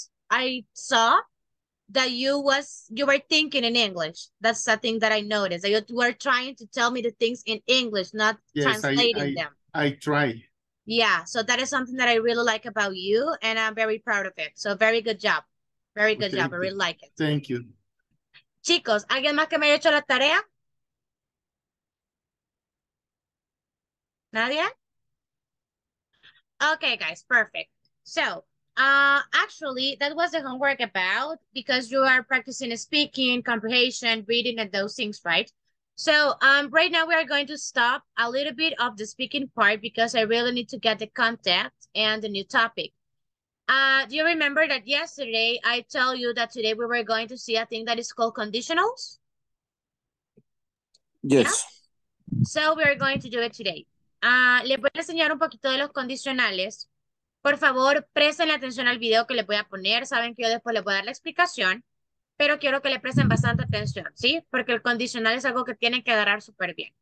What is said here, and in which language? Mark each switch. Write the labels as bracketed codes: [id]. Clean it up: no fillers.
[en] I saw that you were thinking in English. That's the thing that I noticed. That you were trying to tell me the things in English, not yes, translating them. I try. Yeah, so that is something that I really like about you, and I'm very proud of it. So very good job. Very good job. I really like it. Thank you. [es] Chicos, ¿alguien más que me haya hecho la tarea? ¿Nadie? [en] Okay, guys, perfect. So, actually, that was the homework about, because you are practicing speaking, comprehension, reading, and those things, right? So, right now we are going to stop a little bit of the speaking part because I really need to get the content and the new topic. Do you remember that yesterday I told you that today we were going to see a thing that is called conditionals? Yes. Yeah? So we are going to do it today. [es] Les voy a enseñar un poquito de los condicionales. Por favor, presten atención al video que les voy a poner. Saben que yo después les voy a dar la explicación, pero quiero que le presten bastante atención, ¿sí? Porque el condicional es algo que tienen que agarrar súper bien.